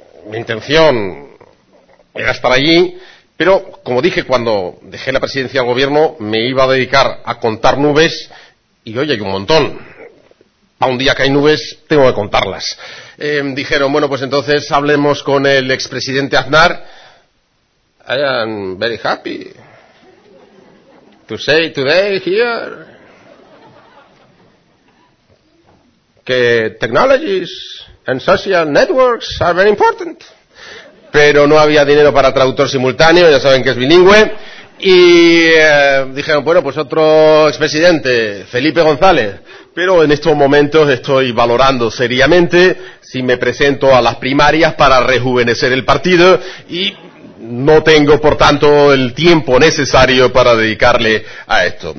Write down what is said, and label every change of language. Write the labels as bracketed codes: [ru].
[es] Mi intención era estar allí, pero como dije cuando dejé la presidencia del gobierno, me iba a dedicar a contar nubes, y hoy hay un montón. Para un día que hay nubes, tengo que contarlas. Dijeron, bueno, pues entonces hablemos con el expresidente Aznar. [en] I am very happy to say today here que technologies and social networks are very important. [es] Pero no había dinero para traductor simultáneo, ya saben que es bilingüe. Y dijeron, bueno, pues otro expresidente, Felipe González. Pero en estos momentos estoy valorando seriamente si me presento a las primarias para rejuvenecer el partido y no tengo, por tanto, el tiempo necesario para dedicarle a esto.